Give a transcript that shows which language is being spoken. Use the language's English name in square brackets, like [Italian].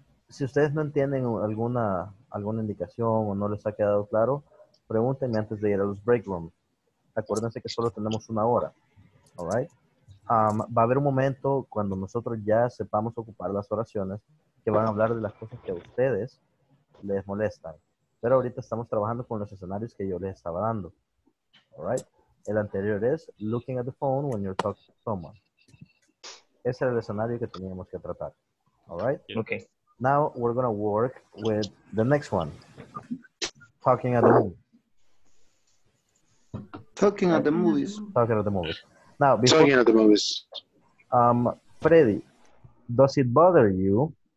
[Spanish] Si ustedes no entienden alguna indicación o no les ha quedado claro, pregúntenme antes de ir a los break rooms. Acuérdense que solo tenemos una hora. [English] All right? [Spanish] Va a haber un momento cuando nosotros ya sepamos ocupar las oraciones que van a hablar de las cosas que a ustedes les molestan. Pero ahorita estamos trabajando con los escenarios que yo les estaba dando. All right? El anterior es [English] looking at the phone when you're talking to someone. [Spanish] Ese era el escenario que teníamos que tratar. [English] All right? Okay. Now we're going to work with the next one. Talking at the movies. Talking at the movies. Talking at the movies. Talking at the movies. Freddy, does it bother you